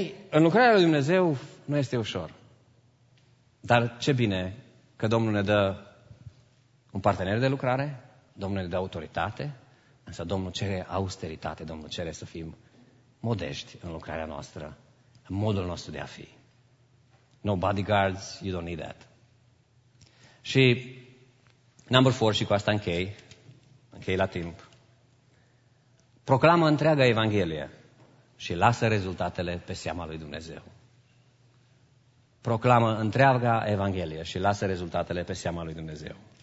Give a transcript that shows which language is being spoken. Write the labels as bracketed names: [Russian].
[Romanian] În lucrarea lui Dumnezeu nu este ușor. Dar ce bine că Domnul ne dă un partener de lucrare, Domnul ne dă autoritate, însă Domnul cere austeritate, Domnul cere să fim modești în lucrarea noastră, în modul nostru de a fi. [English] No bodyguards, you don't need that. [Romanian] Și [English] number four, [Romanian] și cu asta închei la timp, proclamă întreaga Evanghelie și lasă rezultatele pe seama lui Dumnezeu. Proclamă întreaga Evanghelie și lasă rezultatele pe seama lui Dumnezeu.